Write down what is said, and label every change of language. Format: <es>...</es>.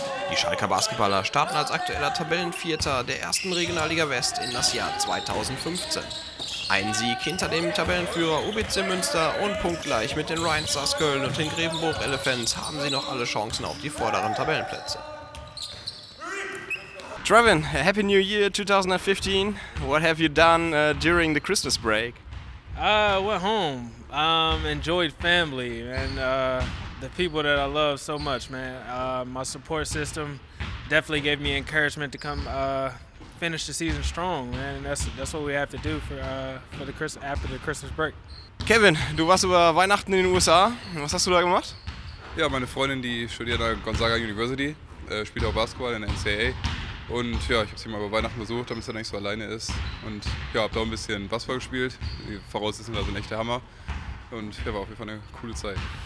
<de>Die Schalker Basketballer starten als aktueller Tabellenvierter der ersten Regionalliga West in das Jahr 2015. Ein Sieg hinter dem Tabellenführer UBC Münster und punktgleich mit den Rheinstars Köln und den Grevenbruch Elephants haben sie noch alle Chancen auf die vorderen Tabellenplätze.</de> <en>Trevin, Happy New Year 2015. What have you done during the Christmas break? We're home. Enjoyed family and the people that I love so much, man. My support system definitely gave me encouragement to come finish the season strong, man. And that's what we have to do after the Christmas break.</en> <de>Kevin, du warst über Weihnachten in den USA. Was hast du da gemacht? Ja, meine Freundin, die studiert an Gonzaga University, spielt auch Basketball in der NCAA. Und ja, ich habe sie mal über Weihnachten besucht, damit sie dann nicht so alleine ist. Und ja, habe da ein bisschen Basketball gespielt. Die Voraussetzungen sind also echt der Hammer. Und ja, war auf jeden Fall eine coole Zeit.</de>